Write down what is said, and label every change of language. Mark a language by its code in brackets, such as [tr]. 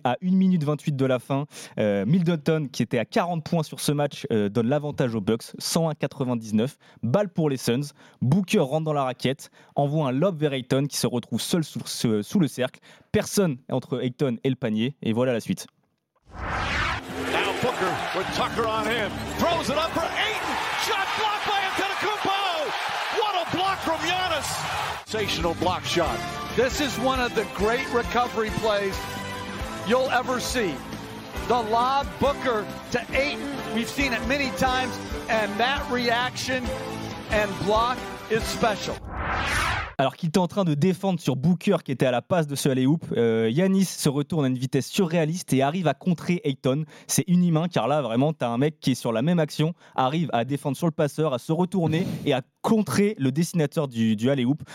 [fr] À 1 minute 28 de la fin, Middleton, qui était à 40 points sur ce match, donne l'avantage aux Bucks, 101-99, balle pour les Suns. Booker rentre dans la raquette, envoie un lob vers Ayton qui se retrouve seul sous le cercle, personne entre Ayton et le panier, et voilà la suite. [en] Booker with Tucker on him, throws it up for Ayton, shot blocked by Antetokounmpo, what a block from Giannis, sensational block shot, this is one of the great recovery plays you'll ever see, the lob Booker to Ayton, we've seen it many times, and that reaction and block is special. [fr] Alors qu'il était en train de défendre sur Booker qui était à la passe de ce alley-oop, Giannis se retourne à une vitesse surréaliste et arrive à contrer Ayton. C'est inhumain car là vraiment t'as un mec qui est sur la même action, arrive à défendre sur le passeur, à se retourner et à contrer le dessinateur du alley-oop.